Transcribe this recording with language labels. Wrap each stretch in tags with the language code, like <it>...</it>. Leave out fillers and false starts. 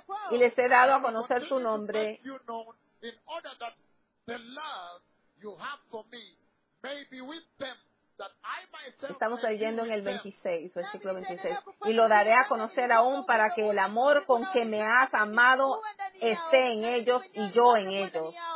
<es>Y les he dado a conocer su nombre,</es> <en>in order that the love you have for me may be with them, that I myself.</en> <es>Estamos leyendo en el 26, versículo 26. Y lo daré a conocer aún para que el amor con que me has amado esté en ellos y yo en ellos.</es>